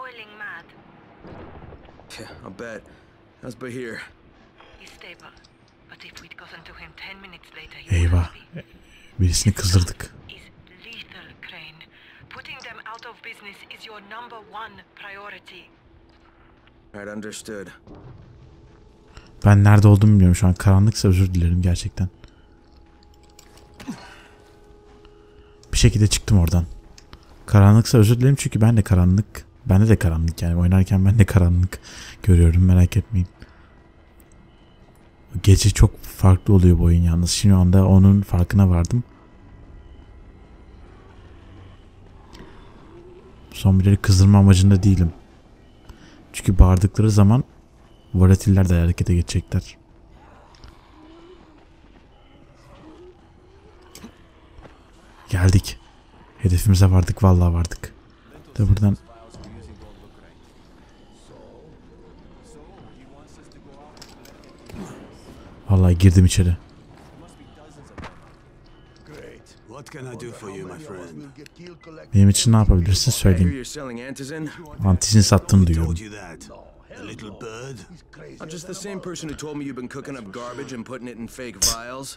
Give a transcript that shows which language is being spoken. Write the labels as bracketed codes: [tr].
[en] I'll bet. How's Bahir? He's stable. But if we'd gotten to him 10 minutes later, he would be... [tr] Birisini kızdırdık. [en] ...is lethal, Crane. Putting them out of business is your number one priority. Right, understood. [tr] Ben nerede olduğumu bilmiyorum şu an. Karanlıksa özür dilerim gerçekten. Bir şekilde çıktım oradan. Karanlıksa özür dilerim çünkü ben de karanlık. Bende de karanlık yani. Oynarken ben de karanlık görüyorum, merak etmeyin. Gece çok farklı oluyor bu oyun yalnız. Şimdi anda onun farkına vardım. Zombileri kızdırma amacında değilim. Çünkü bağırdıkları zaman volatiller de harekete geçecekler. Geldik. Hedefimize vardık, vallahi vardık. De buradan. Vallahi girdim içeri. Benim için ne yapabilirsin söyleyeyim. Antizin sattım duyuyorum. [en] A little bird. I'm just the same person who told me you've been cooking up garbage and putting it in fake vials.